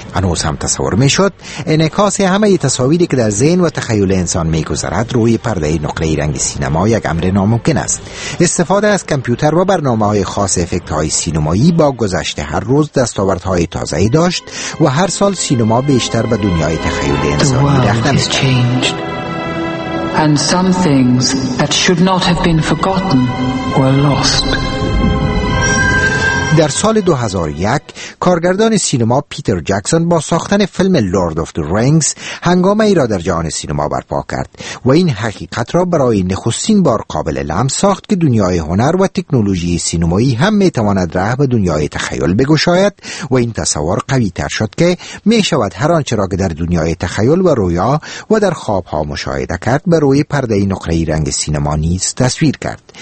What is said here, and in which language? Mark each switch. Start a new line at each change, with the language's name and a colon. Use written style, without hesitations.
Persian: هنوز هم تصور می‌شد انعکاس همه تصاویری که در ذهن و تخیل انسان می‌گذرد روی پرده نقره‌ای رنگ سینما یک امر ناممکن است. استفاده از کامپیوتر و برنامه‌های خاص افکت‌های سینمایی با گذشت هر روز دستاوردهای تازه‌ای داشت و هر سال سینما بیشتر به دنیای تخیل انسان می‌رفت.
English: And some things that should not have been forgotten were lost.
Persian: در سال 2001 کارگردان سینما پیتر جکسون با ساختن فیلم لورد آف دی رینگز هنگامه ای را در جهان سینما برپا کرد و این حقیقت را برای نخستین بار قابل لمس ساخت که دنیای هنر و تکنولوژی سینمایی هم می تواند راه به دنیای تخیل بگشاید و این تصور قوی تر شد که می شود هر آنچه را که در دنیای تخیل و رویا و در خواب ها مشاهده کرد به روی پرده نقره ای رنگ سینما نیز تصویر کرد.